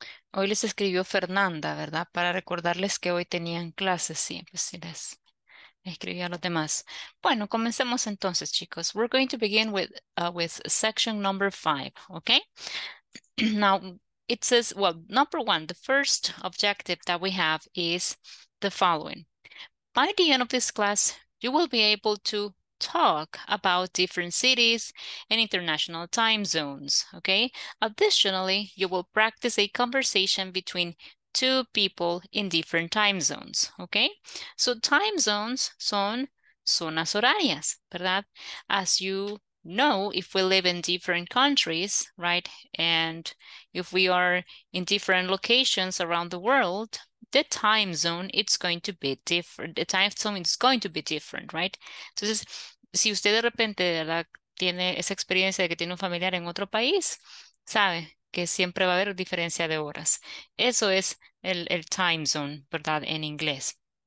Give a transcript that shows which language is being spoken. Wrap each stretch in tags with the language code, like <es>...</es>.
<es>Hoy les escribió Fernanda, ¿verdad? Para recordarles que hoy tenían clases. Sí, pues sí, les escribió a los demás. Bueno, comencemos entonces, chicos.</es> <en>We're going to begin with section number 5, okay? Now, it says, well, number 1, the first objective that we have is the following. By the end of this class, you will be able to talk about different cities and international time zones, okay? Additionally, you will practice a conversation between two people in different time zones, okay? So time zones</en> <es>son zonas horarias, ¿verdad?</es> <en>As you know, if we live in different countries, right? And if we are in different locations around the world, the time zone, it's going to be different. The time zone is going to be different, right?</en> <es>Entonces, si usted de repente, ¿verdad?, tiene esa experiencia de que tiene un familiar en otro país, sabe que siempre va a haber diferencia de horas. Eso es el time zone, ¿verdad?, en inglés.</es>